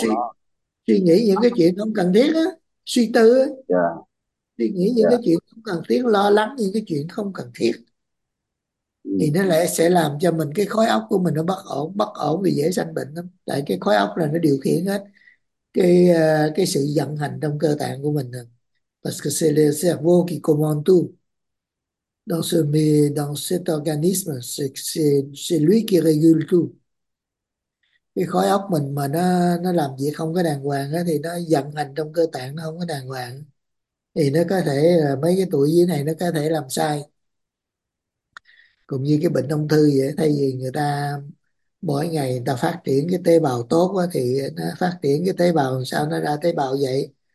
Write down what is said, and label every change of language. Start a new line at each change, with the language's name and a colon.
Vietnamese: suy suy nghĩ những cái chuyện không cần thiết á, suy tư á, suy nghĩ những cái chuyện không cần thiết, lo lắng những cái chuyện không cần thiết thì nó lại sẽ làm cho mình cái khối óc của mình nó bất ổn thì dễ sanh bệnh lắm, tại cái khối óc là nó điều khiển hết cái sự vận hành trong cơ tạng của mình.
French: Parce que c'est le cerveau qui commande tout. Dans cet organisme, c'est lui qui régule tout.
Vietnamese: Cái khối óc mình mà nó làm việc không có đàng hoàng á, thì nó vận hành trong cơ tạng nó không có đàng hoàng, thì nó có thể mấy cái tuổi dưới này nó có thể làm sai. Cũng như cái bệnh ung thư vậy, thay vì người ta mỗi ngày người ta phát triển cái tế bào tốt á, thì nó phát triển cái tế bào làm sao nó ra tế bào vậy.